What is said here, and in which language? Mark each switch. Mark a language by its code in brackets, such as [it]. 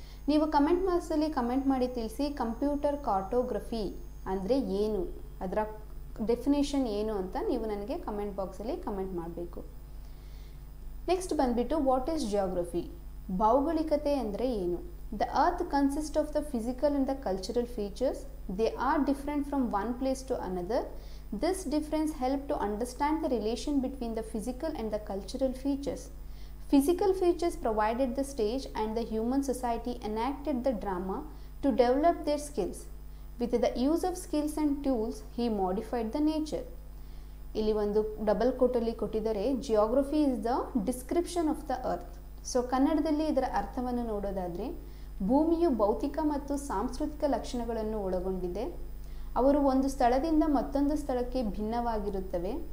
[kn] ನೀವು ಕಮೆಂಟ್ ಬಾಕ್ಸಲ್ಲಿ ಕಮೆಂಟ್ ಮಾಡಿ ತಿಳಿಸಿ, ಕಂಪ್ಯೂಟರ್ ಕಾರ್ಟೋಗ್ರಫಿ ಅಂದರೆ ಏನು, ಅದರ ಡೆಫಿನೇಷನ್ ಏನು ಅಂತ ನೀವು ನನಗೆ ಕಮೆಂಟ್ ಬಾಕ್ಸಲ್ಲಿ ಕಮೆಂಟ್ ಮಾಡಬೇಕು. ನೆಕ್ಸ್ಟ್ ಬಂದುಬಿಟ್ಟು, [en] what is geography, [kn] ಭೌಗೋಳಿಕತೆ ಅಂದರೆ ಏನು. [en] The earth consist of the physical and the cultural features, they are different from one place to another. This difference help to understand the relation between the physical and the cultural features. Physical features provided the stage and the human society enacted the drama to develop their skills. With the use of skills and tools, he modified the nature. [kn] ಇಲ್ಲಿ ಒಂದು double ಕೋಟಲ್ಲಿ ಕೊಟ್ಟಿದ್ದಾರೆ, [en] Geography is the description of the earth. [kn] So ಕನ್ನಡದಲ್ಲಿ ಇದರ ಅರ್ಥವನ್ನು ನೋಡೋದಾದರೆ, ಭೂಮಿಯು ಭೌತಿಕ ಮತ್ತು ಸಾಂಸ್ಕೃತಿಕ ಲಕ್ಷಣಗಳನ್ನು ಒಳಗೊಂಡಿದೆ. ಅವರು ಒಂದು ಸ್ಥಳದಿಂದ ಮತ್ತೊಂದು ಸ್ಥಳಕ್ಕೆ ಭಿನ್ನವಾಗಿರುತ್ತವೆ.